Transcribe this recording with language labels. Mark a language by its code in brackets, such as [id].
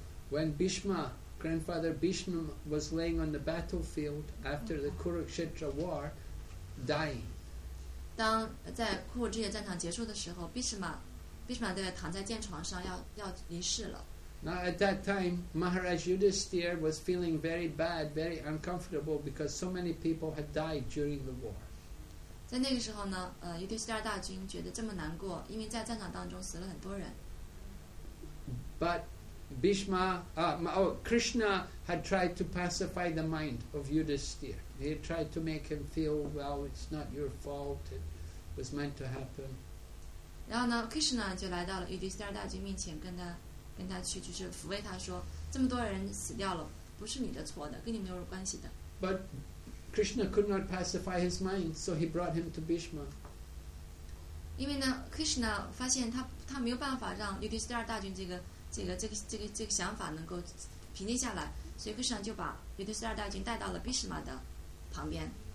[en] When Bhishma, grandfather Bhishma, was laying on the battlefield after the Kurukshetra war, dying. [zh] 当在库尔之夜战场结束的时候 Bhishma 躺在舰床上要离世了。 [en] Now at that time, Maharaj Yudhisthira was feeling very bad, very uncomfortable because so many people had died during the war. [zh] 在那个时候呢, 尤迪斯提尔大军觉得这么难过, 因为在战场当中死了很多人。 [en] But Bhishma, Krishna had tried to pacify the mind of Yudhisthira. He tried to make him feel, well, it's not your fault, it was meant to happen. [zh] 然后呢, Krishna就来到了尤迪斯提尔大军面前, 跟他去, 就是抚慰他说, 这么多人死掉了, 不是你的错的, 跟你没有关系的。 [en] But Krishna could not pacify his mind, so he brought him to Bhishma. [zh] 因为呢, Krishna发现他没有办法让尤迪斯提尔大军这个 这个想法能够平静下来, 所以Krishna就把尤迪斯提尔大军带到了Bhishma的旁边。